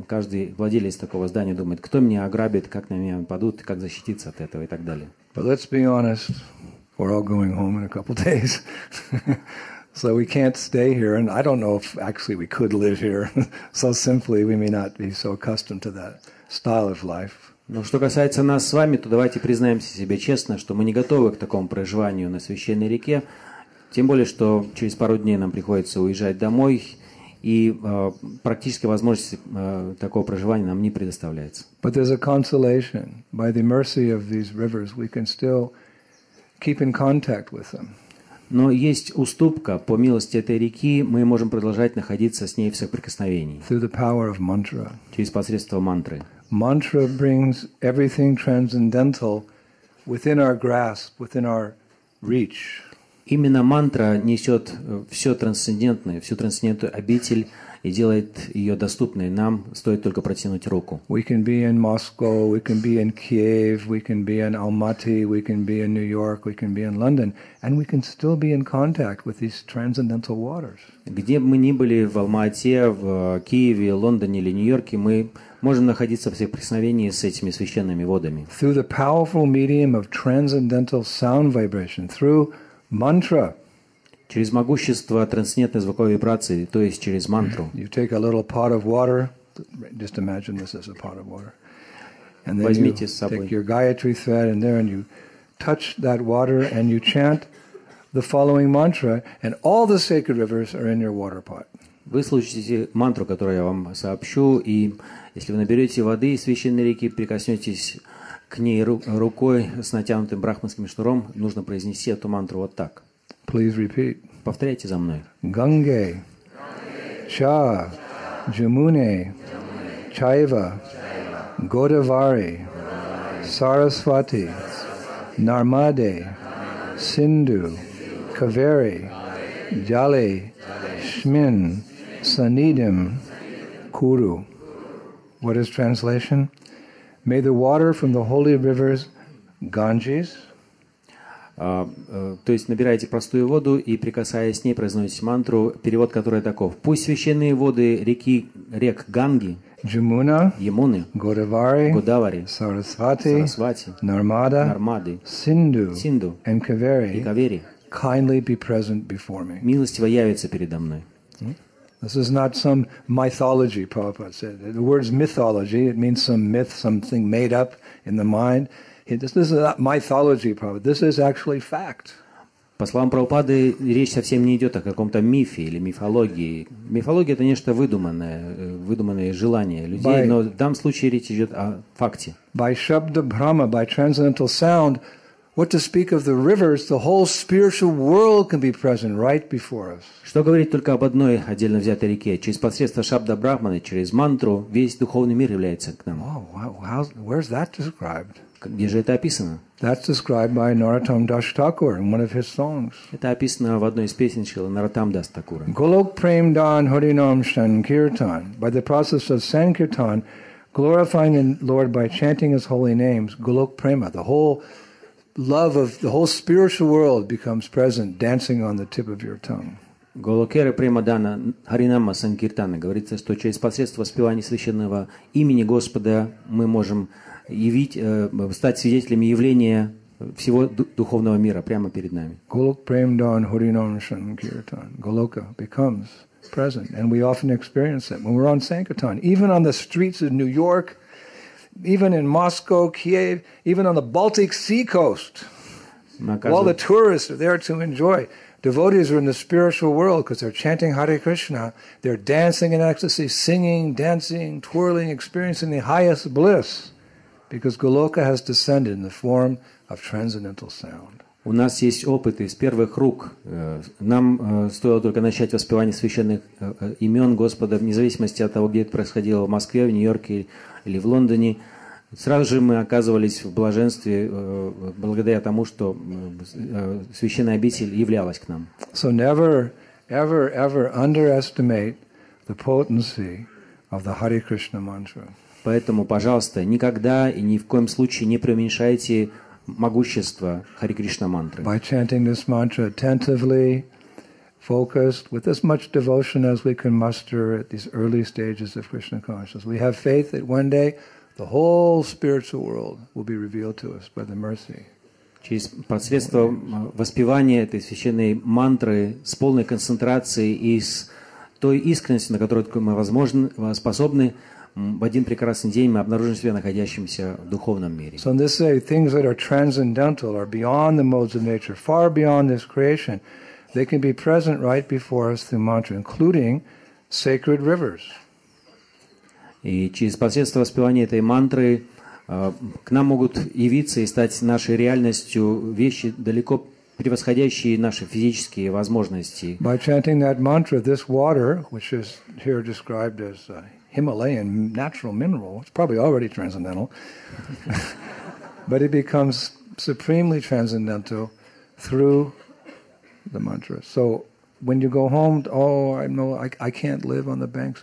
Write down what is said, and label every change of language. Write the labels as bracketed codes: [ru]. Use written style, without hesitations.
[ru] Каждый владелец такого здания думает, кто меня ограбит, как на меня нападут, как защититься от этого и так далее. [en] But let's be honest, we're all going home in a couple of days. So we can't stay here, and I don't know if actually we could live here. So simply, we may not be so accustomed to that style of life. [ru] Но что касается нас с вами, то давайте признаемся себе честно, что мы не готовы к такому проживанию на священной реке. Тем более, что через пару дней нам приходится уезжать домой, и практически возможности такого проживания нам не предоставляется. [en] But there's a consolation. By the mercy of these rivers, we can still keep in contact with them. [ru] Но есть уступка. По милости этой реки мы можем продолжать находиться с ней в соприкосновении. [en] Through the power of mantra. [ru] Через посредство мантры. [en] Mantra brings everything transcendental within our grasp, within our reach. [ru] Именно мантра несет все трансцендентное, всю трансцендентную обитель и делает ее доступной. Нам стоит только протянуть руку. [en] We can be in Moscow, we can be in Kiev, we can be in Almaty, we can be in New York, we can be in London, and we can still be in contact with these transcendental waters. [ru] Где бы мы ни были, в Алма-Ате, в Киеве, Лондоне или Нью-Йорке, мы можем находиться в соприкосновении с этими священными водами. [en] Through the powerful medium of transcendental sound vibration, through mantra. [ru] Через могущество трансцендентной звуковой вибрации, то есть через мантру. [en] You take a little pot of water. Just imagine this as a pot of water. And then [ru] возьмите с собой. [en] You take your Gayatri thread in there and you touch that water and you chant the following mantra and all the sacred rivers are in your water pot. [ru] Вы слушаете мантру, которую я вам сообщу, и если вы наберете воды из священной реки, прикоснетесь к ней рукой с натянутым брахманским шнуром, нужно произнести эту мантру вот так. [en] Please repeat. [ru] Повторяйте за мной. [sa] Ганге, Ча, Джамуне, Чайва, Годавари, Сарасвати, Нармаде, Синду, Кавери, Джале, Шмин, Санидим, Куру. [en] What is translation? May the water from the holy rivers Ganges. [ru] То есть набираете простую воду и прикасаясь к ней произносите мантру, перевод которой таков: пусть священные воды реки рек Ганги, Джамуна, Ямуны, Годавари, Годавари, Сарасвати, Нармада, Нармады, Синду, Синду, [en] and Кавери, [ru] и Кавери, [en] kindly be present before me. [ru] Милостиво явится передо мной. [en] This is not some mythology, Prabhupada said. The word's mythology, it means some myth, something made up in the mind. This is not mythology, Prabhupada. This is actually fact. [ru] По словам Прабхупады, речь совсем не идет о каком-то мифе или мифологии. Мифология – это нечто выдуманное, выдуманные желания людей, но в данном случае речь идет о факте. [en] By Shabda Brahma, by transcendental sound, what to speak of the rivers, the whole spiritual world can be present right before us. [ru] Что говорить только об одной отдельно взятой реке? Через посредство Шабда Брахмана, через мантру, весь духовный мир является к нам. [en] Oh, wow, where's that described? [ru] Где же это описано? [en] That's described by Narottam Das Thakur in one of his songs. [ru] Это описано в одной из песен Шрилы Нараттам Дас Такура. [en] Golok Prem Dan Harinam Sankirtan. By the process of Sankirtan, Glorifying the Lord by chanting His holy names, Golok Prema, the whole love of the whole spiritual world becomes present, dancing on the tip of your tongue. [ru] Голокера Премадана Харинама Санкиртана говорится, что через посредство воспевания священного имени Господа мы можем явить, стать свидетелями явления всего духовного мира прямо перед нами. Голок Премдан Харинам Санкиртан. [en] Голока becomes present, and we often experience it when we're on Sankirtan, even on the streets of New York, even in Moscow, Kiev, even on the Baltic Sea coast. All the tourists are there to enjoy. Devotees are in the spiritual world because they're chanting Hare Krishna. They're dancing in ecstasy, singing, dancing, twirling, experiencing the highest bliss because Goloka has descended in the form of transcendental sound. [ru] У нас есть опыт из первых рук. Нам стоило только начать воспевание священных имен Господа, вне зависимости от того, где это происходило, в Москве, в Нью-Йорке или в Лондоне. Сразу же мы оказывались в блаженстве благодаря тому, что священная обитель являлась к нам. [en] So never, ever, ever underestimate the potency of the Hare Krishna mantra. [ru] Поэтому, пожалуйста, никогда и ни в коем случае не преуменьшайте могущество Хари Кришна мантры. [en] By chanting this mantra attentively, focused, with as much devotion as we can muster at these early stages of Krishna consciousness, we have faith that one day the whole spiritual world will be revealed to us by the mercy. [ru] Через посредством воспевания этой священной мантры с полной концентрацией и с той искренностью, на которую мы способны, в один прекрасный день мы обнаружим себя находящимся в духовном мире. [en] So this way, things that are transcendental, are beyond the modes of nature, far beyond this creation, they can be present right before us through mantra, including sacred rivers. [ru] И через посредство воспевания этой мантры к нам могут явиться и стать нашей реальностью вещи, далеко превосходящие наши физические возможности. [en] By chanting that mantra, this water, which is here described as a Himalayan natural mineral, it's probably already transcendental, but it becomes supremely transcendental through the mantra. So when you go home, oh, I know, I can't live on the banks.